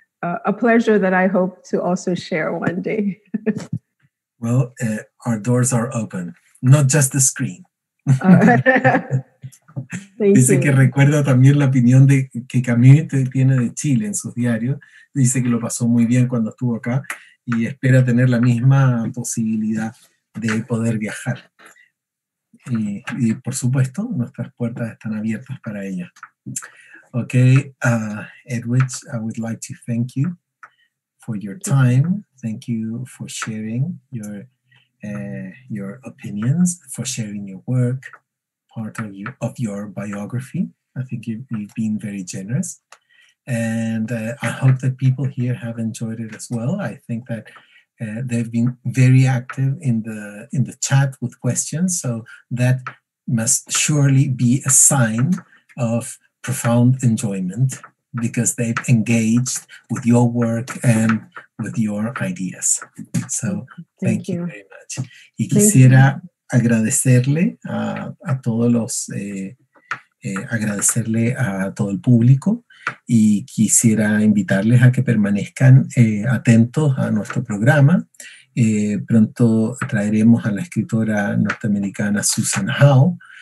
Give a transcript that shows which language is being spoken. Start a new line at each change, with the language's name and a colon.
English: A pleasure that I hope to also share one day. Well, our doors are open, not just the screen.
Spanish: Dice que recuerda también la opinión que Camus tiene de Chile en sus diarios. Dice que lo pasó muy bien cuando estuvo acá y espera tener la misma posibilidad de poder viajar. Y por supuesto, nuestras puertas están abiertas para ella.
English: Okay, Edwidge, I would like to thank you for your time. Thank you for sharing your your opinions, for sharing your work, part of your biography. I think you've been very generous. And I hope that people here have enjoyed it as well. I think that they've been very active in the chat with questions. So that must surely be a sign of profound enjoyment, because they've engaged with your work and with your ideas. So thank you very much.
Spanish: Y quisiera agradecerle a todos los agradecerle a todo el público, y quisiera invitarles a que permanezcan atentos a nuestro programa. Pronto traeremos a la escritora norteamericana Susan Howe.